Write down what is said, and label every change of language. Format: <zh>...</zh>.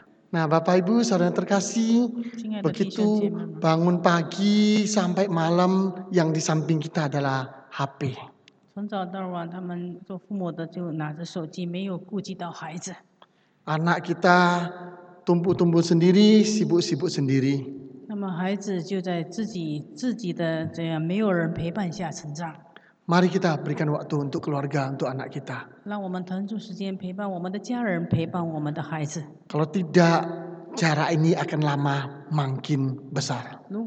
<id>Nah, Bapak Ibu, saudara terkasih, begitu bangun pagi sampai malam, yang di samping kita adalah HP.</id> <zh>从早到晚，他们做父母的就拿着手机，没有顾及到孩子。</zh> <id>Anak kita tumbuh-tumbuh sendiri, sibuk-sibuk sendiri.</id> <zh>那么孩子就在自己的这样，没有人陪伴下成长。</zh> <id>Mari kita berikan waktu untuk keluarga, untuk anak kita.</id> <zh>让我们腾出时间陪伴我们的家人，陪伴我们的孩子。</zh> <id>Kalau tidak, jarak ini akan lama makin besar.</id>